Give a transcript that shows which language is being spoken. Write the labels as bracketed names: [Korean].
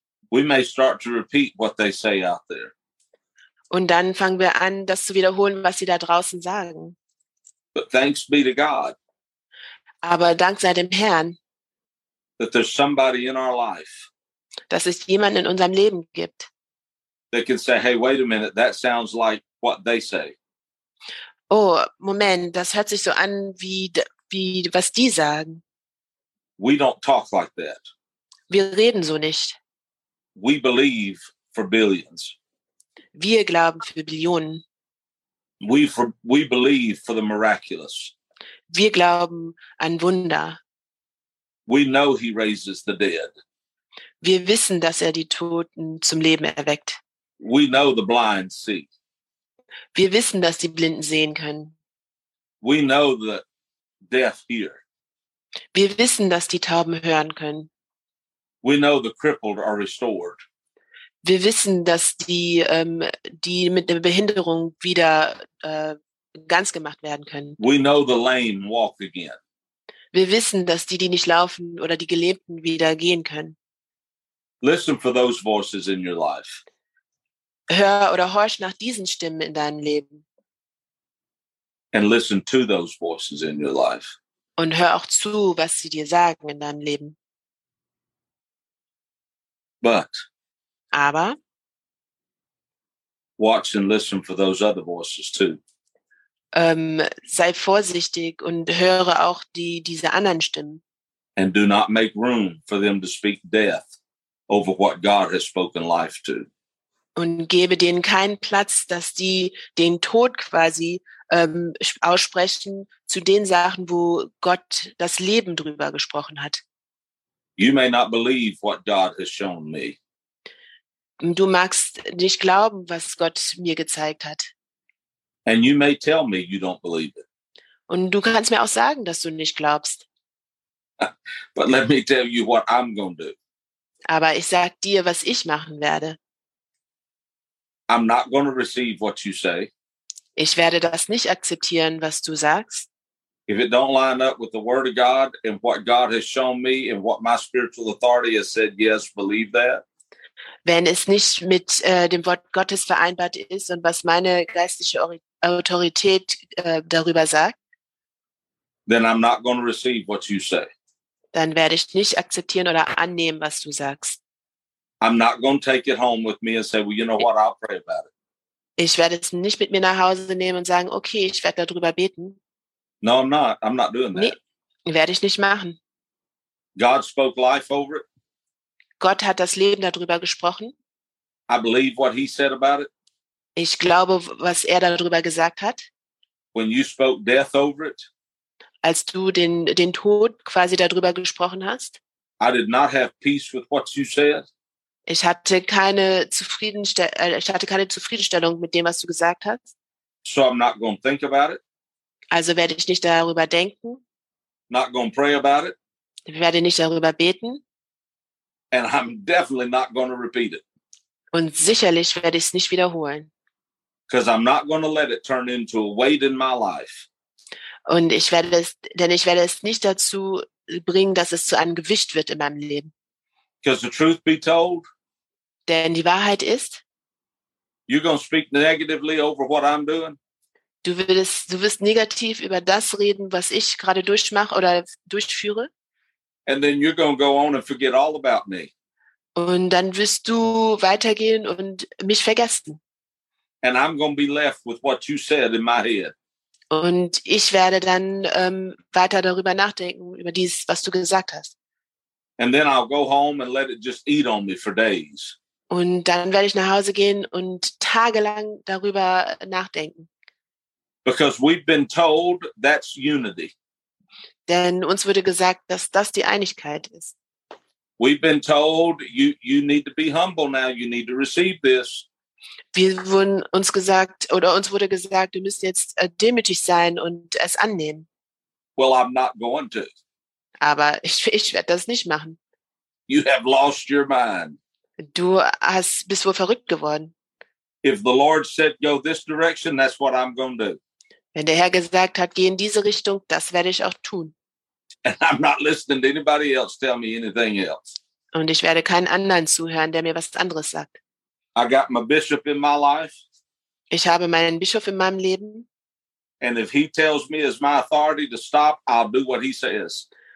[English] We may start to repeat what they say out there. [German] Und dann fangen wir an, das zu wiederholen, was sie da draußen sagen. [English] But thanks be to God. [German] Aber dank sei dem Herrn. [English] That there's somebody in our life. [German] Dass es jemanden in unserem Leben gibt. [English] They can say, "Hey, wait a minute, that sounds like what they say." [German] Oh, Moment, das hört sich so an wie was die sagen. [English] We don't talk like that. [German] Wir reden so nicht. [English] We believe for billions. [German] Wir glauben für Billionen. [English] We believe for the miraculous. [German] Wir glauben an Wunder. [English] We know he raises the dead. [German] Wir wissen, dass die Toten zum Leben erweckt. [English] We know the blind see. [German] Wir wissen, dass die Blinden sehen können. [English] We know the deaf hear. [German] Wir wissen, dass die Tauben hören können. [English] We know the crippled are restored. [German] Wir wissen, dass die mit der Behinderung wieder ganz gemacht werden können. [English] We know the lame walk again. [German] Wir wissen, dass die nicht laufen oder die Gelähmten wieder gehen können. [English] Listen for those voices in your life. [German] Hör oder horch nach diesen Stimmen in deinem Leben. [English] And listen to those voices in your life. [German] Und hör auch zu, was sie dir sagen in deinem Leben. [English] But, [German] aber, [English] watch and listen for those other voices too. [German] Sei vorsichtig und höre auch diese anderen Stimmen. [English] And do not make room for them to speak death over what God has spoken life to. [German] Und gebe denen keinen Platz, dass die den Tod quasi aussprechen zu den Sachen, wo Gott das Leben drüber gesprochen hat. [English] You may not believe what God has shown me. [German] Du magst nicht glauben, was Gott mir gezeigt hat. [English] And you may tell me you don't believe it. [German] Und du kannst mir auch sagen, dass du nicht glaubst. [English] But let me tell you what I'm going to do. [German] Aber ich sag dir, was ich machen werde. [English] I'm not going to receive what you say. [German] Ich werde das nicht akzeptieren, was du sagst. [English] If it don't line up with the word of God and what God has shown me and what my spiritual authority has said, yes, believe that. [German] Wenn es nicht mit dem Wort Gottes vereinbart ist und was meine geistliche Autorität darüber sagt, [English] then I'm not going to receive what you say. [German] Dann werde ich nicht akzeptieren oder annehmen, was du sagst. [English] I'm not going to take it home with me and say, well, you know what, I'll pray about it. [German] Ich werde es nicht mit mir nach Hause nehmen und sagen, okay, ich werde darüber beten. [English] No, I'm not. I'm not doing that. [German] Nee, werde ich nicht machen. [English] God spoke life over it. [German] Gott hat das Leben darüber gesprochen. [English] I believe what he said about it. [German] Ich glaube, was er darüber gesagt hat. [English] When you spoke death over it. [German] Als du den Tod quasi darüber gesprochen hast. [English] I did not have peace with what you said. [German] Ich hatte keine Zufriedenstellung mit dem, was du gesagt hast. [English] So I'm not going to think about it. [German] Also werde ich nicht darüber denken. [English] Not going to pray about it. [German] Ich werde nicht darüber beten. [English] And I'm definitely not going to repeat it. [German] Und sicherlich werde ich es nicht wiederholen. [English] Because I'm not going to let it turn into a weight in my life. [German] Und ich werde es nicht dazu bringen, dass es zu einem Gewicht wird in meinem Leben. [English] Because the truth be told, [German] denn die Wahrheit ist, [English] you're going to speak negatively over what I'm doing. [German] Du wirst negativ über das reden, was ich gerade durchmache oder durchführe. [English] And then you're going to go on and forget all about me. [German] Und dann wirst du weitergehen und mich vergessen. [English] And I'm going to be left with what you said in my head. [German] Und ich werde dann weiter darüber nachdenken, über dies, was du gesagt hast. [English] And then I'll go home and let it just eat on me for days. [German] Und dann werde ich nach Hause gehen und tagelang darüber nachdenken. [English] Because we've been told that's unity. [German] Denn uns wurde gesagt, dass das die Einigkeit ist. [English] We've been told you need to be humble now, you need to receive this. [German] Wir wurden uns gesagt oder uns wurde gesagt, du musst jetzt demütig sein und es annehmen. [English] Well, I'm not going to. [German] Aber ich werde das nicht machen. [English] You have lost your mind. [German] Du bist wohl verrückt geworden. [English] If the Lord said go this direction, that's what I'm going to do. [German] Wenn der Herr gesagt hat, geh in diese Richtung, das werde ich auch tun. [English] And I'm not listening to anybody else tell me anything else. [German] Und ich werde keinen anderen zuhören, der mir was anderes sagt. [English] I got my bishop in my life. [German] Ich habe meinen Bischof in meinem Leben. [English] And if he tells me it's my authority to stop, I'll do what he says.